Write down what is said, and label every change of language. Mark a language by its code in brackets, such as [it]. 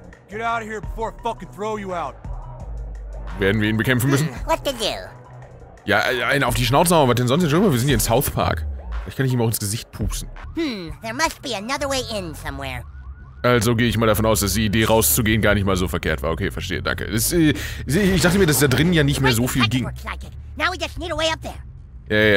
[en] Get out of here before I fucking throw you out. [de] Werden wir ihn bekämpfen müssen? [en] What to do? [de] Ja, einen auf die Schnauze hauen, was denn sonst? Schau mal, wir sind hier in South Park. Ich kann nicht ihm auch ins Gesicht pupsen. [en] There must be another way in somewhere. [de] Also gehe ich mal davon aus, dass die Idee rauszugehen gar nicht mal so verkehrt war. Okay, verstehe, danke. Ich dachte mir, dass da drinnen ja nicht mehr so viel ging. [en] Now we just need a way up there.